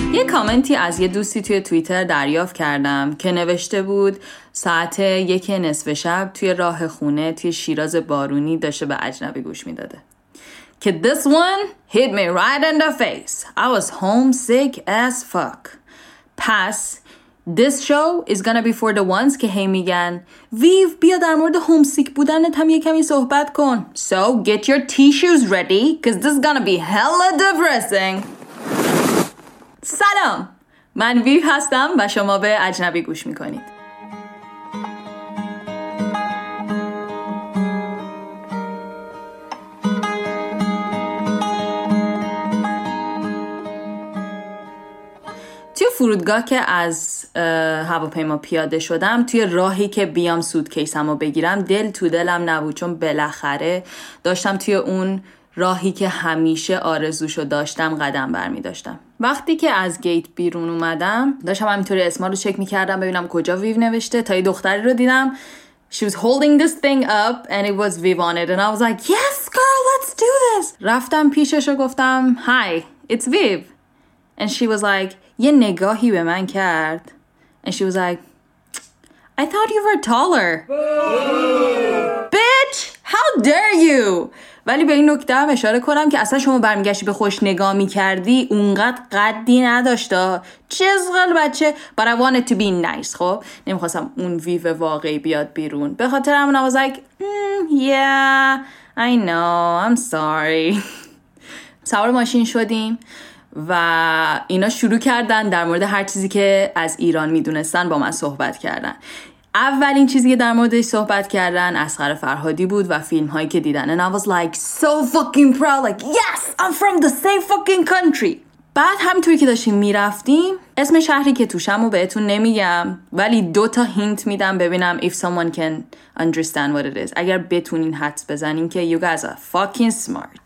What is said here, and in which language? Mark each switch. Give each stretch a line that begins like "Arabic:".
Persian: کامنتی از یه دوستی توی توییتر دریافت کردم که نوشته بود ساعت 1:30 شب توی راه خونه توی شیراز بارونی داشته به اجنبی گوش میداده که
English: this one hit me right in the face. I was homesick as fuck.
Persian: پس
English: this show is gonna be for the ones
Persian: که هی میگن ویو بیا در مورد homesick بودنت هم یه کمی صحبت کن.
English: So get your tissues ready cause this is gonna be hella depressing.
Persian: سلام، من ویو هستم و شما به اجنبی گوش میکنید. توی فرودگاه که از هواپیما پیاده شدم، توی راهی که بیام سوتکیسم رو بگیرم دل تو دلم نبود، چون بالاخره داشتم توی اون راهی که همیشه آرزوشو داشتم قدم برمی‌داشتم. وقتی که از گیت بیرون اومدم داشتم همینطوری اسما رو چک می‌کردم ببینم کجا ویو نوشته، تا یه دختری رو دیدم.
English: She was holding this thing up and it was Viv on it and I was like yes girl let's do this.
Persian: رفتم پیشش و گفتم
English: hi it's Viv and she was like
Persian: یه نگاهی به من کرد
English: and she was like I thought you were taller. Bitch how dare you.
Persian: ولی به این نکته هم اشاره کنم که اصلا شما برمیگشتی به خوش نگاه میکردی اونقدر قدی نداشتا، چزغل بچه.
English: But I wanted to be nice.
Persian: خب نمیخواستم اون ویو واقعی بیاد بیرون، به خاطر همون
English: I was like yeah I know I'm sorry.
Persian: سوار ماشین شدیم و اینا شروع کردن در مورد هر چیزی که از ایران میدونستن با من صحبت کردن. اولین چیزی که در موردش صحبت کردن اصغر فرهادی بود و فیلم‌هایی که دیدن.
English: And I was like so fucking proud, like yes I'm from the same fucking country.
Persian: بعد همینطوری که داشتیم میرفتیم اسم شهری که توشم رو بهتون نمیگم، ولی دوتا هینت میدم ببینم
English: if someone can understand what it is،
Persian: اگر بتونین حدس بزنین که
English: you guys are fucking smart.